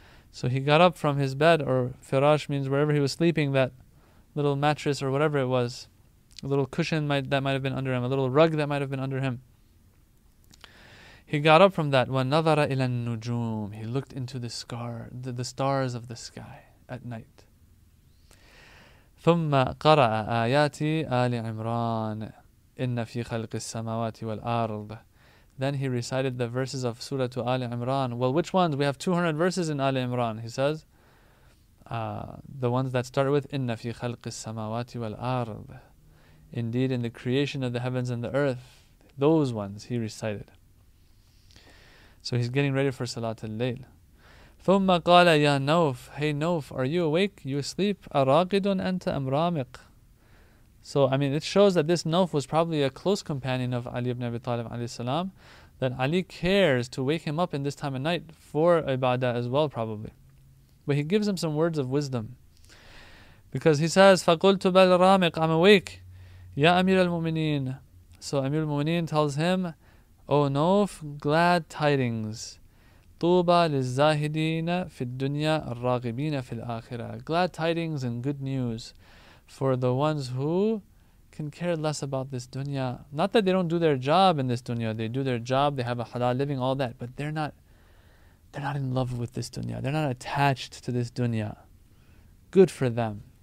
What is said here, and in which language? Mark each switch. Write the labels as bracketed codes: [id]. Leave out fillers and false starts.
[en] So he got up from his bed, or firash means wherever he was sleeping, that little mattress or whatever it was, a little cushion that might have been under him, a little rug that might have been under him. He got up from that. [ar] ونظر إلى النجوم. [en] He looked into the stars of the sky at night. [ar] ثم قرأ آيات آل عمران إن في خلق السماوات والأرض. [en] Then he recited the verses of Surah to Ali Imran. Well, which ones? We have 200 verses in Ali Imran. He says, the ones that start with [ar] إن في خلق السماوات والأرض. [en] Indeed, in the creation of the heavens and the earth, those ones he recited. So he's getting ready for Salatul Layl. [ar] ثم قال يا نوف. [en] Hey Nawf, are you awake? You asleep? [ar] أراقدٌ أنت أم رامق? [en] So I mean, it shows that this Nawf was probably a close companion of Ali ibn Abi Talib alayhi salam, that Ali cares to wake him up in this time of night for ibadah as well, probably. But he gives him some words of wisdom, because he says, [ar] فقلت بل رامق, [en] I'm awake. [ar] يا أمير المؤمنين. [en] So Amir al-Mu'mineen tells him, O Nawf, glad tidings. [ar] طوبى للزاهدين في الدنيا الراغبين في الآخرة. [en] Glad tidings and good news for the ones who can care less about this dunya. Not that they don't do their job in this dunya. They do their job, they have a halal living, all that. But they're not in love with this dunya. They're not attached to this dunya. Good for them.